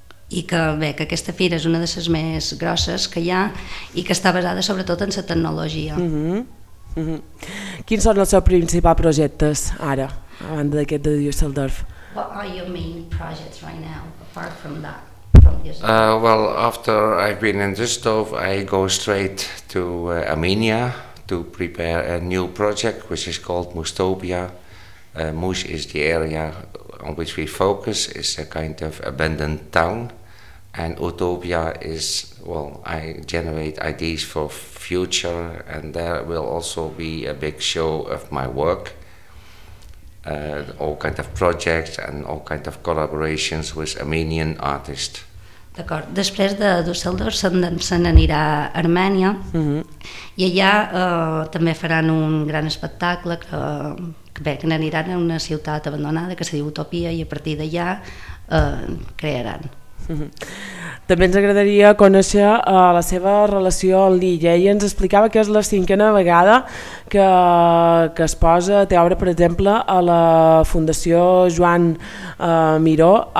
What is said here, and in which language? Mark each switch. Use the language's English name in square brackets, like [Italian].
[Catalan] I que bé, que aquesta fira és una de les més grosses que hi ha i que està basada sobretot en la tecnologia. Mm-hmm. Mm-hmm. Quins són els seus principals projectes ara, a banda d'aquest de Düsseldorf? [English] What are your main projects right now, apart from that? Well, after I've been in Düsseldorf, I go straight to Armenia to prepare a new project, which is called Mustopia. Mush is the area on which we focus. It's a kind of abandoned town. And Utopia is, well, I generate ideas for future, and there will also be a big show of my work. All kind of projects and all kind of collaborations with Armenian artists. [Catalan] D'acord. Després de Düsseldorf se n'anirà a Armènia. Uh-huh. I allà també faran un gran espectacle que bé, que n'aniran a una ciutat abandonada que se diu Utopia i a partir d'allà crearan. Uh-huh. També ens agradaria conèixer la seva relació amb l'illa i ens explicava que és la cinquena vegada que es posa té obra, per exemple, a la Fundació Joan Miró.